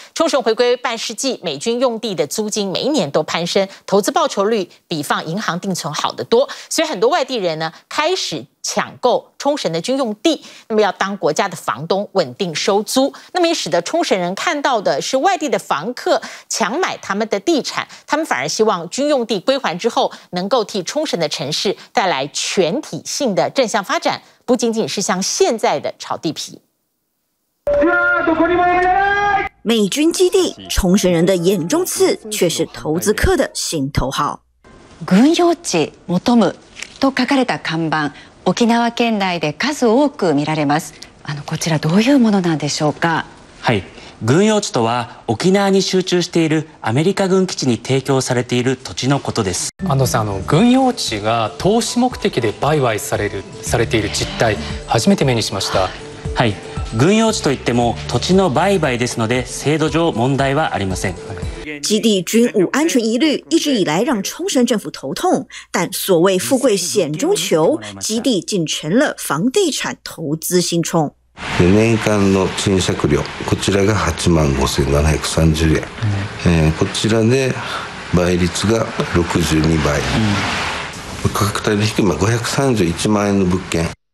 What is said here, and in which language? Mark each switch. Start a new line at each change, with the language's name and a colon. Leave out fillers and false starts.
Chinese: 冲绳回归半世纪，美军用地的租金每一年都攀升，投资报酬率比放银行定存好得多，所以很多外地人呢开始抢购冲绳的军用地，那么要当国家的房东稳定收租，那么也使得冲绳人看到的是外地的房客抢买他们的地产，他们反而希望军用地归还之后能够替冲绳的城市带来全体性的正向发展，不仅仅是像现在的炒地皮。美军基地，冲绳人的眼中刺，却是投资客的心头好。
Japanese: 軍用地求むと書かれた看板、沖縄県内で数多く見られます。こちらどういうものなんでしょうか。はい、軍用地とは沖縄に集中しているアメリカ軍基地に提供されている土地のことです。安藤さん、軍用地が投資目的で売買されている実態、初めて目にしました。はい、軍用地といっても土地の売買ですので制度上問題はありません。
Chinese: 基地军武安全疑虑一直以来让冲绳政府头痛，但所谓富贵险中求，基地竟成了房地产投资新宠。
Japanese: 4年間の賃借料、こちらが85,730円、こちらで倍率が62倍、価格帯で低い531万円の物件。